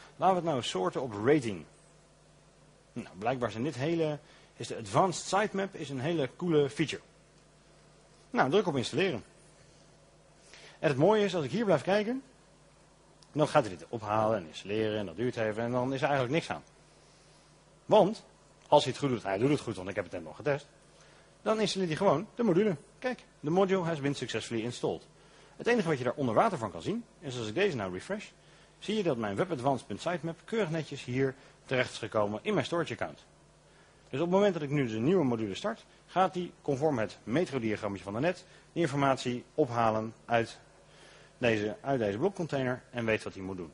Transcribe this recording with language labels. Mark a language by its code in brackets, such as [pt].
[nl] Laten we het nou sorten op rating. Nou, blijkbaar zijn dit hele, is de Advanced Sitemap is een hele coole feature. Nou, druk op installeren. En het mooie is, als ik hier blijf kijken, dan gaat hij dit ophalen en installeren en dat duurt even en dan is er eigenlijk niks aan. Want, als hij het goed doet, hij doet het goed, want ik heb het net nog getest, dan installeert hij gewoon de module. [en] Kijk, the module has been successfully installed. [nl] Het enige wat je daar onder water van kan zien, is als ik deze nou refresh, zie je dat mijn webadvanced.sitemap keurig netjes hier terecht is gekomen in mijn storage account. Dus op het moment dat ik nu de nieuwe module start, gaat die conform het metrodiagrammetje van daarnet die informatie ophalen uit deze blokcontainer en weet wat hij moet doen.